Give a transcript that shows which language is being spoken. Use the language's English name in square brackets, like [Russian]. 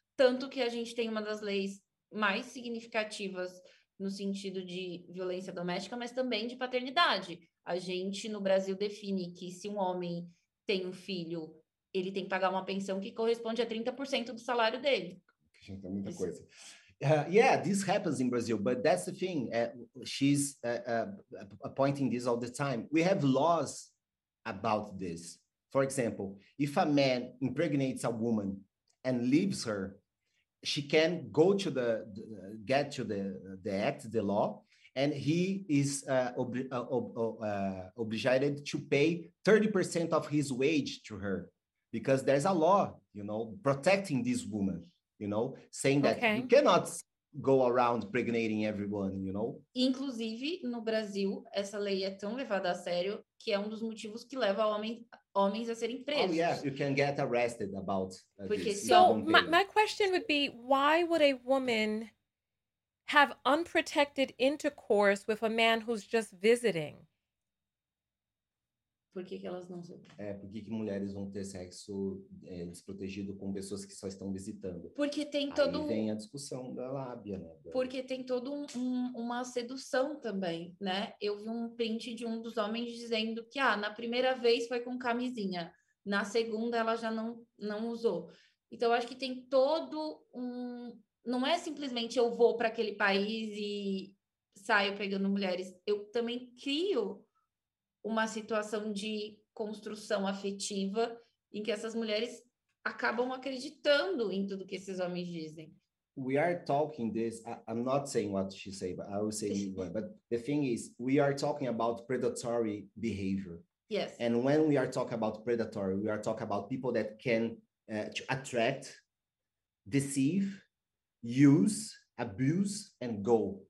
[Portuguese] Tanto que a gente tem uma das leis mais significativas no sentido de violência doméstica, mas também de paternidade. A gente, no Brasil, define que se um homem tem um filho... ele tem que pagar uma pensão que corresponde a 30% do salário dele. Gente, é muita coisa. [English] Yeah, this happens in Brazil, but that's the thing. She's pointing this all the time. We have laws about this. For example, if a man impregnates a woman and leaves her, she can go to the law, and he is obligated to pay 30% of his wage to her. because there's a law, you know, protecting this woman, you know, saying that okay. you cannot go around impregnating everyone, you know? [Portuguese] Inclusive, no Brasil, essa lei é tão levada a sério que é um dos motivos que leva homens a serem presos. [English] Oh, yeah, you can get arrested about this. So, my question would be, why would a woman have unprotected intercourse with a man who's just visiting? [Portuguese] Por que que elas não... É, por que que mulheres vão ter sexo desprotegido com pessoas que só estão visitando? Porque tem todo... Aí vem a discussão da lábia, né? Porque tem todo uma sedução também, né? Eu vi um print de um dos homens dizendo que, ah, na primeira vez foi com camisinha, na segunda ela já não usou. Então, eu acho que tem todo Não é simplesmente eu vou para aquele país e saio pegando mulheres. Eu também crio uma situação de construção afetiva em que essas mulheres acabam acreditando em tudo que esses homens dizem. [English] We are talking this, I'm not saying what she said, but I will say it anyway. But the thing is, we are talking about predatory behavior. Yes. And when we are talking about predatory, we are talking about people that can attract, deceive, use, abuse, and go.